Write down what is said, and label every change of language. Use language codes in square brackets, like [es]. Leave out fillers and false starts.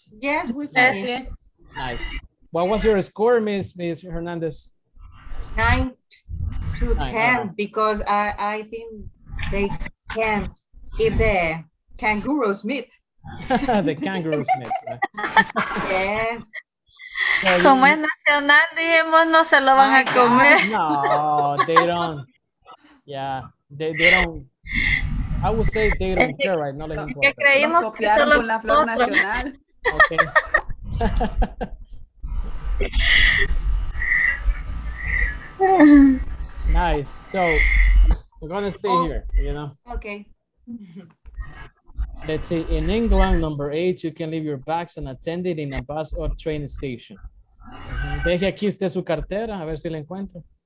[en] Yes, we finished. Nice. What was your score, Miss Hernandez? 9 to 10, uh-huh. Because I think they can't eat the kangaroo's meat. The kangaroo's meat. Yes. [es] Como es nacional, dijimos, no se lo van a comer. [en] No, they don't. Yeah, they don't. I would say they don't care, right? No, like [es] que creímos que solo con la flor nacional. [en] Okay. Nice. So we're gonna stay here, you know. Okay. Let's see. In England, number 8, you can leave your bags unattended in a bus or train station. [es] Deje aquí usted su cartera a ver si la encuentra.